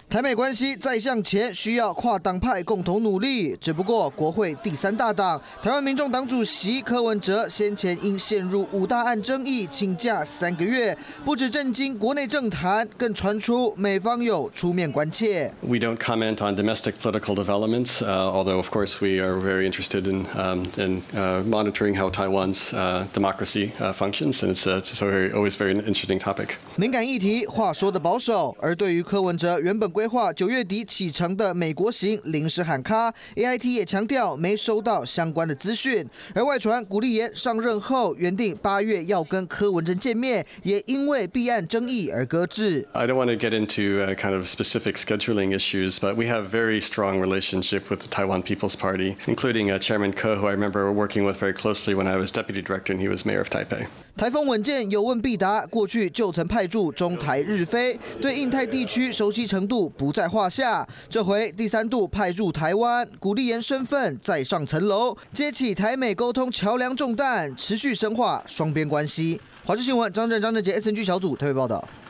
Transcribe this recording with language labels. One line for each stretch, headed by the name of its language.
Chinese: 台美关系再向前，需要跨党派共同努力。只不过，国会第三大党台湾民众党主席柯文哲先前因陷入五大案争议请假三个月，不止震惊国内政坛，更传出美方有出面关切。
English: We don't comment on domestic political developments, although of course we are very interested in monitoring how Taiwan's democracy functions, and it's always a very interesting topic.
Chinese: 敏感议题，话说的保守。而对于柯文哲原本规划九月底启程的美国行临时喊卡 ，AIT 也强调没收到相关的资讯。而外传古立言上任后原定八月要跟柯文哲见面，也因为弊案争议而搁置。
English: I don't want to get into kind of specific scheduling issues, but we have very strong relationship with the Taiwan People's Party, including Chairman Ke, who I remember working with very closely when I was deputy director and he was mayor of Taipei.
Chinese: 台风稳健，有问必答。过去就曾派驻中台日飞，对印太地区熟悉程度不在话下。这回第三度派驻台湾，古立言身份再上层楼，接起台美沟通桥梁重担，持续深化双边关系。华视新闻张正杰 SNG 小组特别报道。